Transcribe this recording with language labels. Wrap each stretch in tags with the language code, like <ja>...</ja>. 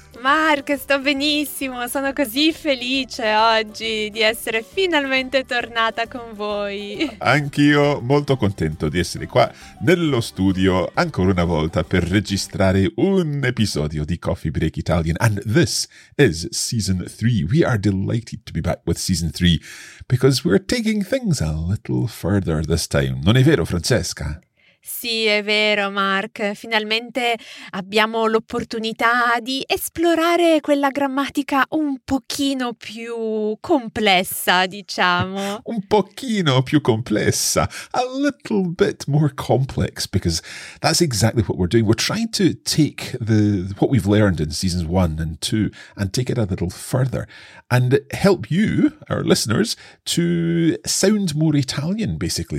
<it>Mark, sto benissimo, sono così felice oggi di essere finalmente tornata con voi. Anch'io molto contento di essere qua nello studio ancora una volta per registrare un episodio di Coffee Break Italian.</it> <en>And this is season 3. We are delighted to be back with season 3 because we're taking things a little further this time.</en> <it>Non è vero, Francesca? Sì, è vero, Mark. Finalmente abbiamo l'opportunità di esplorare quella grammatica un pochino più complessa, diciamo. Un pochino più complessa.</it> <en>A little bit more complex, because that's exactly what we're doing. We're trying to take what we've learned in seasons 1 and 2 and take it a little further and help you, our listeners, to sound more Italian, basically.</en>